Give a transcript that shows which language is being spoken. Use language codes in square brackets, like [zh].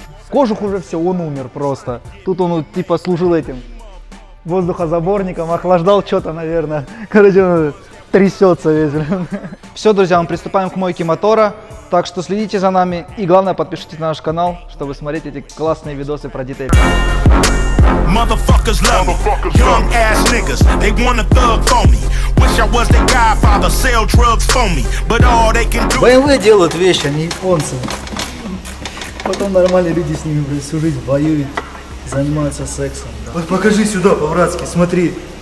[ru] Кожух уже все, он умер просто. Тут он типа служил этим воздухозаборником, охлаждал что-то, наверное. Короче, он трясется весь. Все, друзья, мы приступаем к мойке мотора. Так что следите за нами и, главное, подпишитесь на наш канал, чтобы смотреть эти классные видосы про D-Tape. [en] Motherfuckers love me. Young ass niggas, they wanna thug for me. Wish I was the guy father, sell drugs for me. But all they can do. [ru] BMW делают вещи, они японцы. Потом нормальные люди с ними всю жизнь воюют, занимаются сексом. Да. Вот покажи сюда, по-братски, смотри.